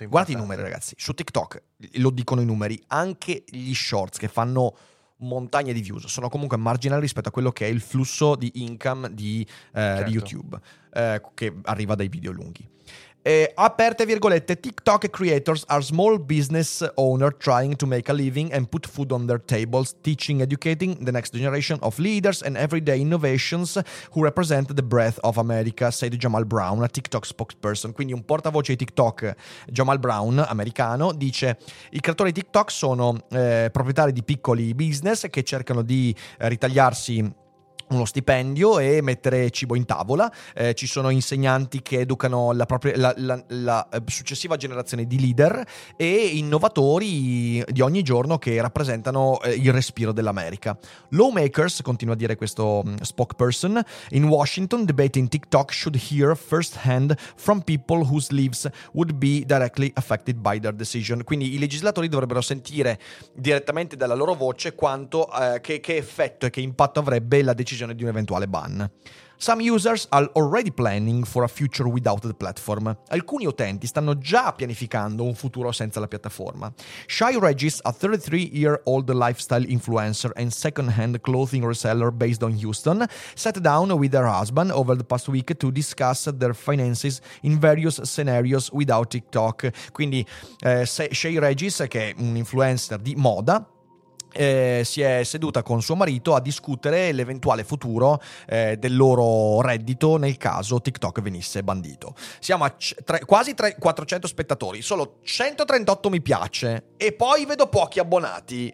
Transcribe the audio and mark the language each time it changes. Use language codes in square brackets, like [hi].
[it] Guardate i numeri, ragazzi, su TikTok lo dicono i numeri, anche gli shorts che fanno montagne di views sono comunque marginali rispetto a quello che è il flusso di income certo, di YouTube, che arriva dai video lunghi. Aperte virgolette, [en] TikTok creators are small business owner trying to make a living and put food on their tables, teaching, educating the next generation of leaders and everyday innovations who represent the breath of America, said Jamal Brown, a TikTok spokesperson. [it] Quindi un portavoce di TikTok, Jamal Brown, americano, dice: i creatori di TikTok sono proprietari di piccoli business che cercano di ritagliarsi uno stipendio e mettere cibo in tavola. Ci sono insegnanti che educano la successiva generazione di leader e innovatori di ogni giorno che rappresentano il respiro dell'America. [en] Lawmakers, [it] continua a dire questo [en] spokesperson, in Washington debating TikTok should hear first hand from people whose lives would be directly affected by their decision. [it] Quindi i legislatori dovrebbero sentire direttamente dalla loro voce quanto che effetto e che impatto avrebbe la decisione di un eventuale ban. [en] Some users are already planning for a future without the platform. [it] Alcuni utenti stanno già pianificando un futuro senza la piattaforma. [en] Shai Regis, a 33-year-old lifestyle influencer and second-hand clothing reseller based on Houston, sat down with her husband over the past week to discuss their finances in various scenarios without TikTok. [it] Quindi Shai Regis, che è un influencer di moda, si è seduta con suo marito a discutere l'eventuale futuro del loro reddito nel caso TikTok venisse bandito. Siamo a quasi 400 spettatori, solo 138 mi piace e poi vedo pochi abbonati.